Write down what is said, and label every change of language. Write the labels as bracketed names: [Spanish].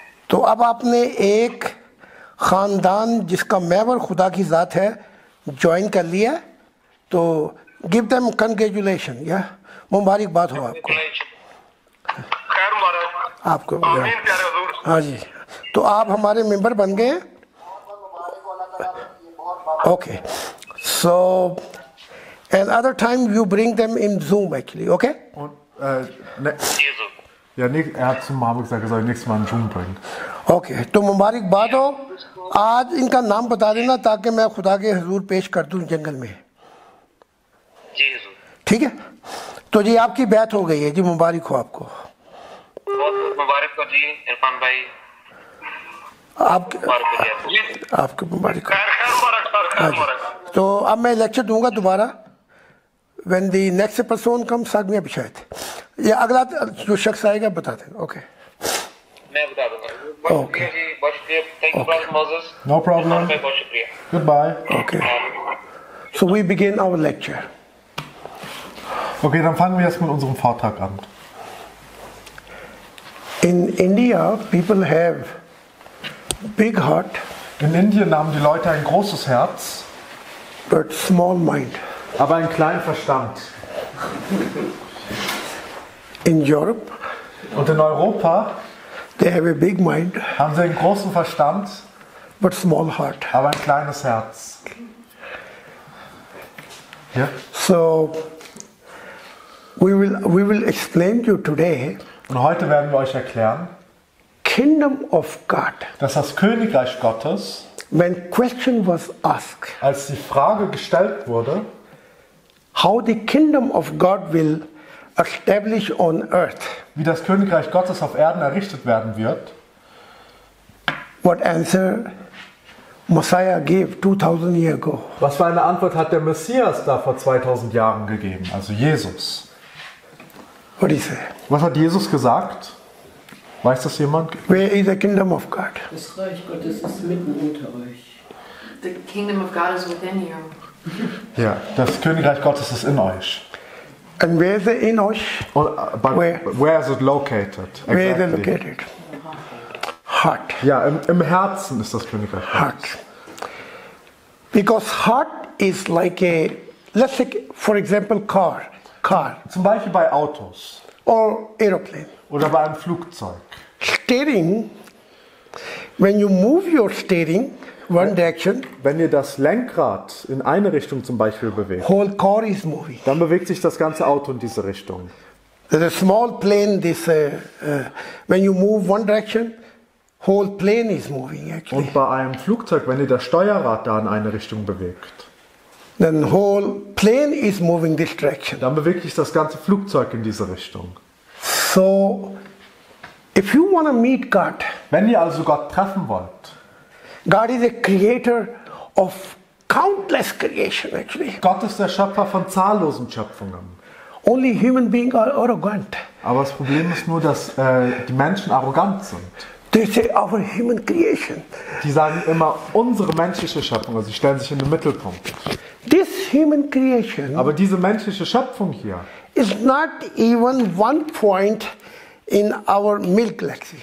[Hindi] तो अब आपने एक खानदान जिसका मेंबर खुदा की जात है ज्वाइन कर लिया तो [English] give them congratulation [Hindi] या मुबारकबाद हो आपको आपको आमीन प्यारे हुजूर हां जी तो आप हमारे मेंबर बन गए [English] okay so and other time you bring them in Zoom actually okay [German] ja nicht er hat zum Mama gesagt er soll nächstes Mal in Zoom bringen [Hindi] okay to mubarakbad ho aaj inka naam bata dena taaki main khuda ke huzoor pesh kar dun jungle mein ji hazur theek hai to ji aapki bait ho gayi hai ji mubarak ho aapko बहुत बहुत मुबारक को जी इरफान भाई आपके आपके मुबारक खैर खैर मुबारक तो अब मैं लेक्चर दूंगा दोबारा [English] when the next person come [Hindi] साथ में बिछाए थे ये अगला जो शख्स आएगा बता दें ओके मैं बता दूंगा [English] okay thank you no problem good bye okay so we begin our lecture [German] ओके dann fangen wir jetzt mit unserem Vortrag an. [English] In India, people have big heart. [German] In Indien haben die Leute ein großes Herz, [English] but small mind. [German] Aber einen kleinen Verstand. [English] In Europe, [German] und in Europa, [English] they have a big mind. [German] Haben sie einen großen Verstand, [English] but small heart. [German] Aber ein kleines Herz. Ja. [English] So, we will explain you today. [German] Und heute werden wir euch erklären, [English] Kingdom of God, [German] dass das Königreich Gottes, [English] when question was asked, [German] als die Frage gestellt wurde, [English] how the Kingdom of God will establish on earth, [German] wie das Königreich Gottes auf Erden errichtet werden wird, [English] what answer Messiah gave 2000 years ago. [German] Was für eine Antwort hat der Messias da vor 2000 Jahren gegeben, also Jesus? [English] What is it? [German] Was hat Jesus gesagt? Weiß das jemand? [English] Where is the kingdom of God? [German] Das Reich Gottes ist mitten unter euch. [English] The kingdom of God is within you. [German] Ja, das Königreich Gottes ist in euch. [English] And where is it in euch? Where is it located? Exactly. Where is it located? Heart. [German] Ja, im Herzen ist das Königreich Gottes. [English] Heart. Because heart is like a, let's say, for example, car. Car. [German] Zum Beispiel bei Autos. [English] Or aeroplane. [German] Oder bei einem Flugzeug. [English] Steering. When you move your steering one direction. [German] Wenn ihr das Lenkrad in eine Richtung zum Beispiel bewegt. [English] Whole car is moving. [German] Dann bewegt sich das ganze Auto in diese Richtung. [English] There's a small plane. This when you move one direction, whole plane is moving actually. [German] Und bei einem Flugzeug, wenn ihr das Steuerrad da in eine Richtung bewegt. [English] Then whole plane is moving this direction. [German] Dann bewegt sich das ganze Flugzeug in diese Richtung. [English] So, If you want to meet God, [German] wenn ihr also Gott treffen wollt, [English] God is a creator of countless creation actually. [German] Gott ist der Schöpfer von zahllosen Schöpfungen. [English] Only human beings are arrogant. [German] Aber das Problem ist nur, dass die Menschen arrogant sind. [English] They say our human creation. [German] Die sagen immer unsere menschliche Schöpfung, also sie stellen sich in den Mittelpunkt. [English] This human creation. [German] Aber diese menschliche Schöpfung hier [English] is not even one point in our Milky Way.